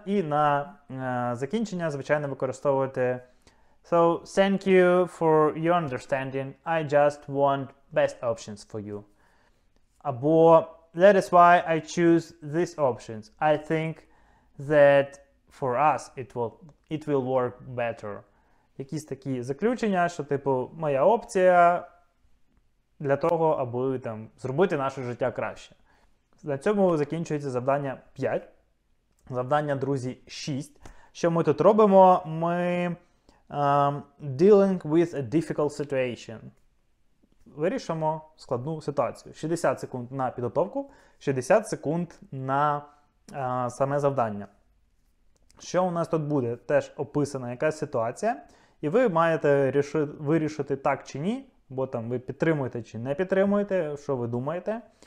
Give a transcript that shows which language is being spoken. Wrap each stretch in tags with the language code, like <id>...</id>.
<uk>І на закінчення, звичайно, використовуєте</uk> <en>So, thank you for your understanding. I just want best options for you.</en> <uk>Або</uk> <en>that is why I choose these options. I think that for us it will work better.</en> <uk>Якісь такі заключення, що типу моя опція для того, аби там зробити наше життя краще. На цьому закінчується завдання 5. Завдання, друзі, 6. Що ми тут робимо? Ми</uk> <en>dealing with a difficult situation.</en> <uk>Вирішимо складну ситуацію. 60 секунд на підготовку, 60 секунд на саме завдання. Що у нас тут буде? Теж описана якась ситуація. І ви маєте вирішити так чи ні, бо там ви підтримуєте чи не підтримуєте, що ви думаєте.</uk>